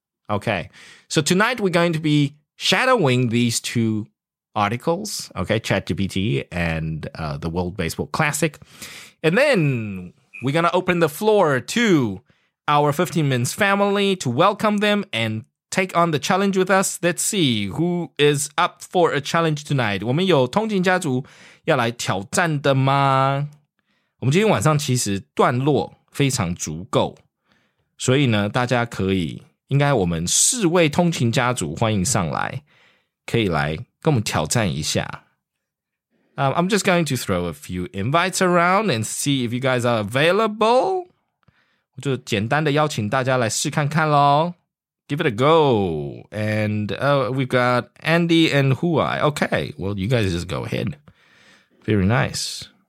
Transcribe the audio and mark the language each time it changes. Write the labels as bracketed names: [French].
[English] Okay, so tonight we're going to be shadowing these two articles, okay, ChatGPT and the World Baseball Classic. And then we're going to open the floor to our 15 Minutes family to welcome them and take on the challenge with us. Let's see who is up for a challenge tonight. [Chinese] 我们有通勤家族要来挑战的吗？我们今天晚上其实段落非常足够，所以呢，大家可以，应该我们四位通勤家族欢迎上来，可以来跟我们挑战一下。 [English] I'm just going to throw a few invites around and see if you guys are available. [Chinese] 我就简单的邀请大家来试看看咯。 [English] Give it a go. And we've got Andy and Huai. Okay, well, you guys just go ahead. Very nice.